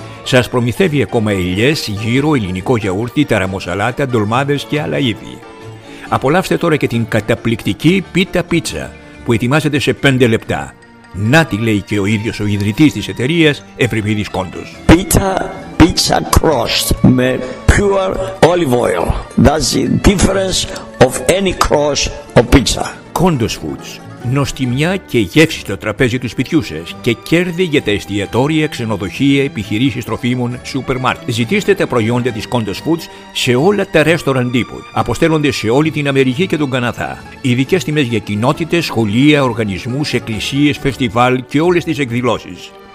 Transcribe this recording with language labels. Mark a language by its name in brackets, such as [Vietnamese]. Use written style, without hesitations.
[Greek] Σας προμηθεύει ακόμα ελιές, γύρο, ελληνικό γιαούρτι, ταραμοσαλάτα, ντολμάδες και άλλα είδη. Απολαύστε τώρα και την καταπληκτική πίτα πίτσα που ετοιμάζεται σε 5 λεπτά. Να τη λέει και ο ίδιος ο ιδρυτής της εταιρείας, Ευρυπίδης Κόντος. Πίτα πίτσα crust με [English] pure olive oil. That's the difference of any crust of pizza. [Greek] Κόντος Foods. Νοστιμιά και γεύση στο τραπέζι του σπιτιού σας και κέρδη για τα εστιατόρια, ξενοδοχεία, επιχειρήσεις τροφίμων, σούπερ μάρκετ. Ζητήστε τα προϊόντα της Condos Foods σε όλα τα restaurant τύπου. Αποστέλλονται σε όλη την Αμερική και τον Καναδά. Ειδικές τιμές για κοινότητες, σχολεία, οργανισμούς, εκκλησίες, φεστιβάλ και όλες τις εκδηλώσεις.